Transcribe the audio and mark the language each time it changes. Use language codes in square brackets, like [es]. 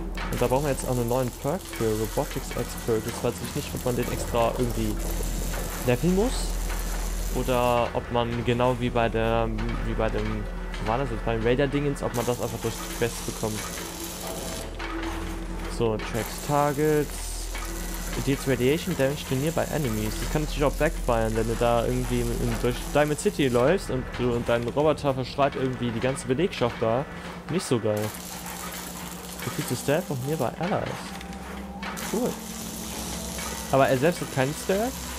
[de] Und da brauchen wir jetzt auch einen neuen Perk für Robotics Expert. Jetzt weiß ich nicht, ob man den extra irgendwie leveln muss. Oder ob man genau wie bei der, wie bei dem, war das jetzt, beim Raider-Dingens, ob man das einfach durch die Quest bekommt. [en] So, Tracks Targets. Deals Radiation Damage to nearby Enemies. [de] Das kann natürlich auch backfiren, wenn du da irgendwie in, durch Diamond City läufst und du und dein Roboter verstreut irgendwie die ganze Belegschaft da. Nicht so geil. Du kriegst Stealth auch [en] nearby Allies. [de] Cool. Aber er selbst hat keinen Stealth.